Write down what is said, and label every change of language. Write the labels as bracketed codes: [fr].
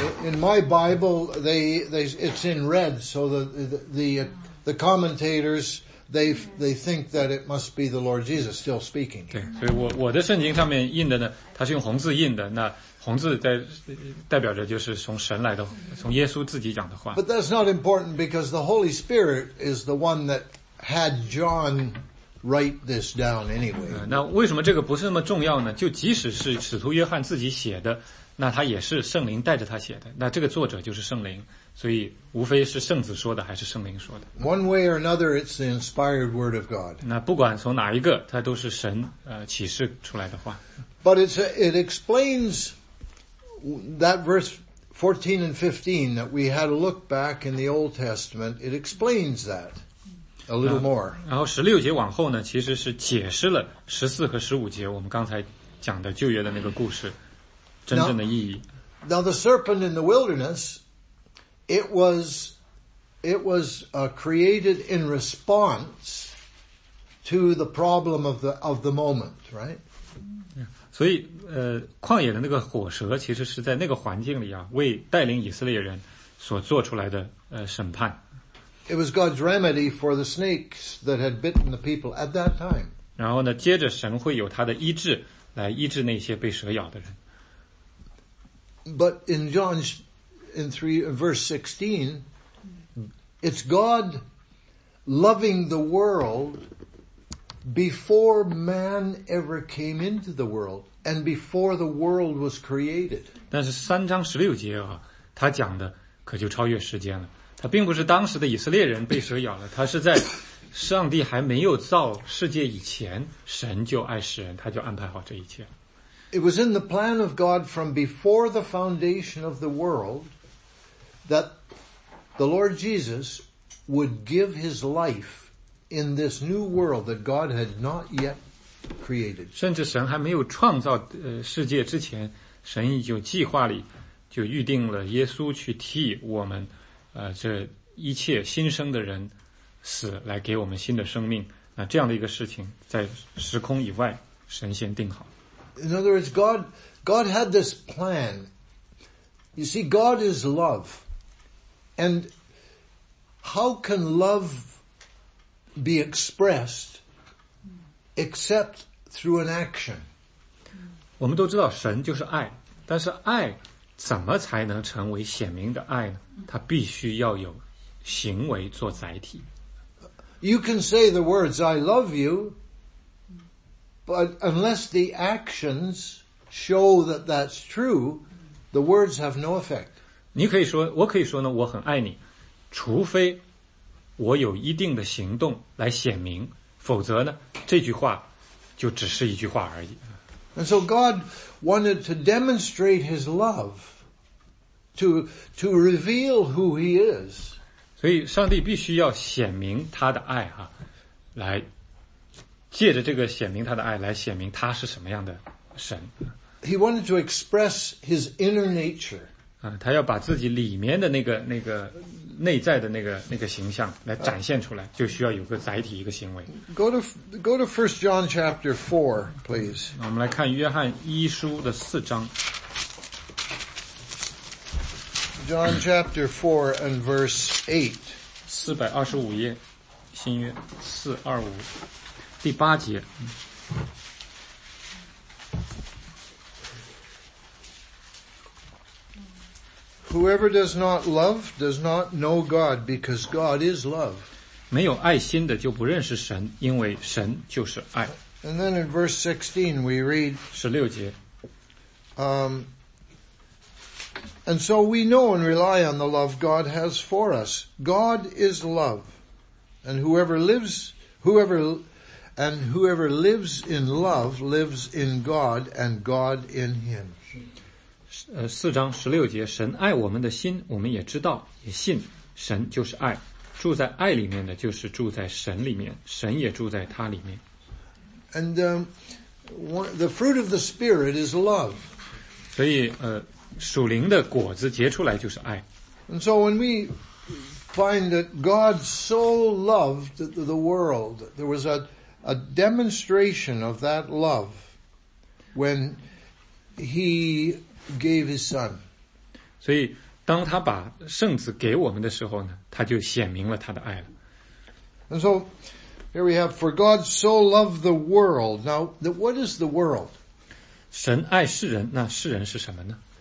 [en] In my Bible, it's in red, so the commentators,They think that it must be the Lord Jesus still speaking. [zh] 对，所以我的圣经上面印的呢，它是用红字印的。那红字代表着就是从神来的，从耶稣自己讲的话。 [en] But that's not important because the Holy Spirit is the one that had John write this down anyway. [zh] 那为什么这个不是那么重要呢？就即使是使徒约翰自己写的，那他也是圣灵带着他写的。那这个作者就是圣灵。所以无非是圣子说的还是圣灵说的。 [en] One way or another, it's the inspired word of God. [zh] 那不管从哪一个，它都是神启示出来的话。 [en] But it explains that verse 14 and 15 that we had a look back in the Old Testament. It explains that a little more. [zh] 然后16节往后呢，其实是解释了14和15节我们刚才讲的旧约的那个故事真正的意义。 [en] Now the serpent in the wilderness,It was created in response to the problem of the moment, right? [zh] 所以旷野的那个火蛇其实是在那个环境里啊，为带领以色列人所做出来的审判。 [en] It was God's remedy for the snakes that had bitten the people at that time. [zh] 然后呢，接着神会有他的医治来医治那些被蛇咬的人。 [en] But in verse 16, it's God loving the world before man ever came into the world and before the world was created. [zh] 但是三章十六节啊，他讲的可就超越时间了。他并不是当时的以色列人被蛇咬了，他是在上帝还没有造世界以前，神就爱世人，他就安排好这一切。 [en] It was in the plan of God from before the foundation of the world. That the Lord Jesus would give his life in this new world that God had not yet created. [zh] 甚至神还没有创造世界之前，神已经计划里就预定了耶稣去替我们这一切新生的人死，来给我们新的生命。那这样的一个事情在时空以外，神先定好。 [en] In other words, God had this plan. You see, God is love. And how can love be expressed except through an action? [zh] 我们都知道神就是爱，但是爱怎么才能成为显明的爱呢？它必须要有行为做载体。 [en] You can say the words, I love you, but unless the actions show that that's true, the words have no effect. [zh] 你可以说，我可以说呢，我很爱你，除非我有一定的行动来显明，否则呢，这句话就只是一句话而已。 [en] And so God wanted to demonstrate His love to reveal who He is. [zh] 所以，上帝必须要显明他的爱啊，来借着这个显明他的爱，来显明他是什么样的神。 [en] He wanted to express His inner nature. [zh] 他要把自己里面的那个内在的那个形象来展现出来，就需要有个载体，一个行为。 [en] Go to 1 John chapter 4, please. [zh] 我们来看约翰一书的四章。 [en] John chapter 4 and verse 8. [zh] 425页，新约425，第八节。 [en] Whoever does not love does not know God because God is love. [zh] 没有爱心的就不认识神，因为神就是爱。 [en] And then in verse 16 we read, [zh] 16节, [en] And so we know and rely on the love God has for us. God is love. And whoever lives in love lives in God and God in him. [zh] 四章十六节，神爱我们的心，我们也知道，也信，神就是爱。住在爱里面的就是住在神里面，神也住在他里面。 [en] And, the fruit of the Spirit is love. [zh] 所以属灵的果子结出来就是爱。 [en] And so when we find that God so loved the world, there was a demonstration of that love when he gave his son. [zh] 所以当他把圣子给我们的时候呢，他就显明了他的爱了。 [en] And so, here we have, for God so loved the world. Now, what is the world? [zh] 神爱世人，那世人是什么呢？